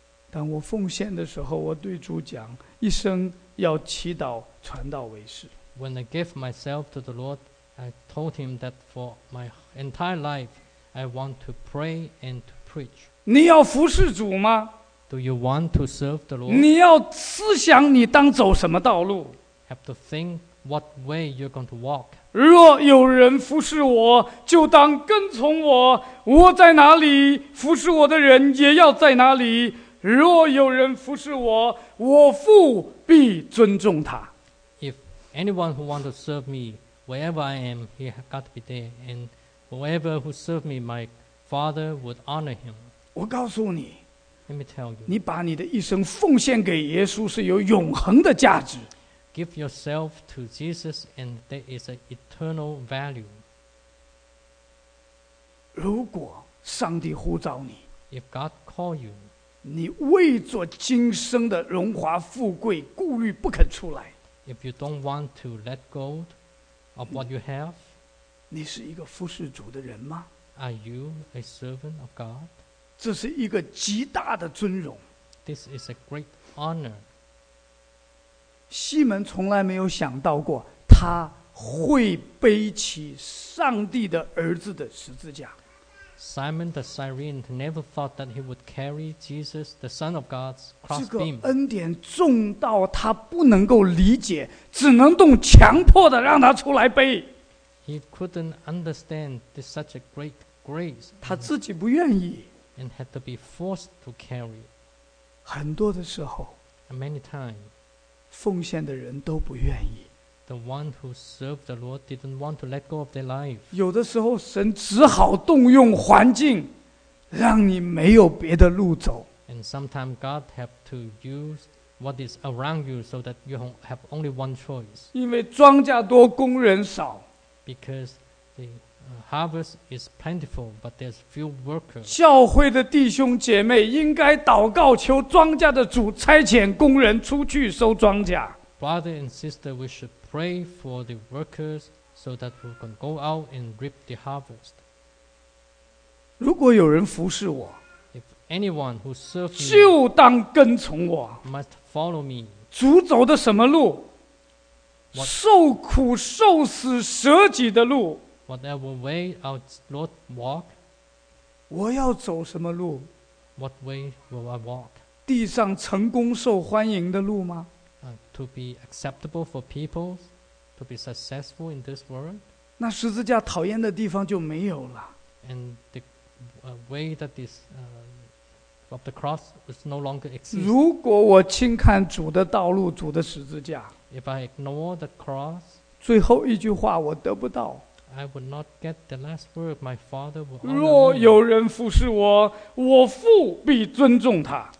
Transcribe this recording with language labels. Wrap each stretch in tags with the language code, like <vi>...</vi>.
<zh>当我奉献的时候，我对主讲，一生要祈祷传道为事。</zh> <en>When I give myself to the Lord, I told him that for my entire life, I want to pray and to preach.</en> <zh>你要服侍主吗？</zh> <en>Do you want to serve the Lord?</en> <zh>你要思想你当走什么道路？</zh> <en>Have to think what way you're going to walk.</en> <zh>若有人服侍我，就当跟从我。我在哪里，服侍我的人也要在哪里。若有人服侍我，我父必尊重他。</zh> <en>If anyone who wants to serve me, wherever I am, he has got to be there. And whoever who serves me, my father would honor him.</en> <zh>我告诉你，</zh> <en>Let me tell you.</en> <zh>你把你的一生奉献给耶稣是有永恒的价值。</zh> <en>Give yourself to Jesus and there is an eternal value.</en> <zh>如果上帝呼召你，</zh> <en>If God calls you,</en> <zh>你为做今生的荣华富贵顾虑不肯出来，</zh> <en>If you don't want to let go of what you have,</en> <zh>你是一个服侍主的人吗？</zh> <en>Are you a servant of God?</en> <zh>这是一个极大的尊荣。</zh> <en>This is a great honor.</en> <zh>西门从来没有想到过他会背起上帝的儿子的十字架。</zh> <en>Simon the Cyrene never thought that he would carry Jesus, the Son of God's cross beam.</en> <zh>这个恩典重到他不能够理解，只能动强迫的让他出来背。</zh> <en>He couldn't understand this such a great grace.</en> <zh>他自己不愿意。</zh> <en>And had to be forced to carry.</en> <zh>很多的时候</zh> <en>，many time，</en> <zh>奉献的人都不愿意。</zh> <en>The one who served the Lord didn't want to let go of their life.</en> <zh>有的时候神只好动用环境，让你没有别的路走。</zh> <en>And sometimes God have to use what is around you so that you have only one choice.</en> <zh>因为庄稼多，工人少。</zh> <en>Because the harvest is plentiful, but there's few workers.</en> <zh>教会的弟兄姐妹应该祷告，求庄稼的主差遣工人出去收庄稼。</zh> <en>Brother and sister, we should pray for the workers so that we can go out and reap the harvest.</en> <zh>如果有人服侍我，</zh> <en>if anyone who serves me,</en> <zh>就当跟从我，</zh> <en>must follow me.</en> <zh>主走的什么路？</zh> <en>What,</en> <zh>受苦受死舍己的路。</zh> <en>Whatever way our Lord walk,</en> <zh>我要走什么路？</zh> <en>What way will I walk?</en> <zh>地上成功受欢迎的路吗？</zh> <en>To be acceptable for people, to be successful in this world.</en> <zh>那十字架讨厌的地方就没有了。</zh> <en>And the way that this of the cross is no longer exists.</en> <zh>如果我轻看主的道路，主的十字架。</zh> <en>If I ignore the cross,</en> <zh>最后一句话我得不到。</zh> <en>I would not get the last word. My Father will.</en> <zh>若有人服侍我，我父必尊重他。</zh>